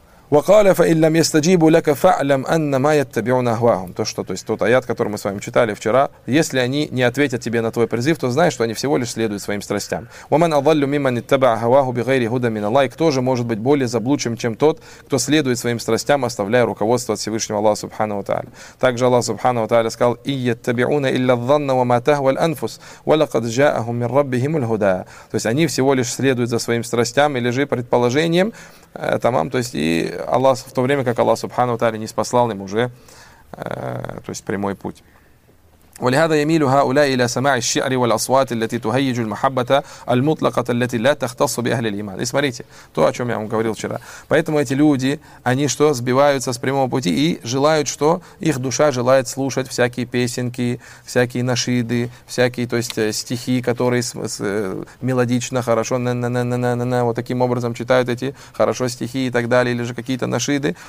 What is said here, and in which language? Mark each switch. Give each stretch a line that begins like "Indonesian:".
Arabic: وَقَالَ فَإِنْ لَمْ يَسْتَجِيبُ لَكَ فَعْلَمْ أَنَّمَا يَتَّبِعُونَ أَهْوَاهُمْ.
Russian: То, что, то есть тот аят, который мы с вами читали вчера, если они не ответят тебе на твой призыв, то знай, что они всего лишь следуют своим страстям.
Arabic: وَمَنْ أَضَلُّ مِمَّنْ يَتَّبَعَ هَوَاهُ بِغَيْرِ هُدَى مِنَ اللَّهِ.
Russian: Кто же может быть более заблудшим, чем тот, кто следует своим страстям, оставляя руководство от Всевышнего Аллаха Субхана ва Тааля. Также Аллах Субхана ва Тааля сказал:
Arabic: إِيَتَّبِعُونَ إِلَّا الظَّنَّ وَمَا تَهْوَى الْأَنْفُسُ وَلَقَدْ جَاءَهُمْ مِنْ رَبِّهِمُ الْهُدَى.
Russian: То есть они всего лишь следуют за своим страстям или же предположением. Тамам, то есть и Аллах, в то время как Аллах Субхану Тааля не спасал им уже то есть прямой путь.
Arabic: ولهذا يميل هؤلاء الى سماع الشعر والاصوات التي تهيج المحبه المطلقه التي لا تختص باهل الايمان.
Russian: И смотрите, то, о чем я вам говорил вчера. Поэтому эти люди, они что, сбиваются с прямого пути и желают, что их душа желает слушать всякие песенки, всякие нашиды, всякие, то есть стихи, которые мелодично, хорошо на вот таким образом читают эти хорошо стихи и так далее, или же какие-то нашиды.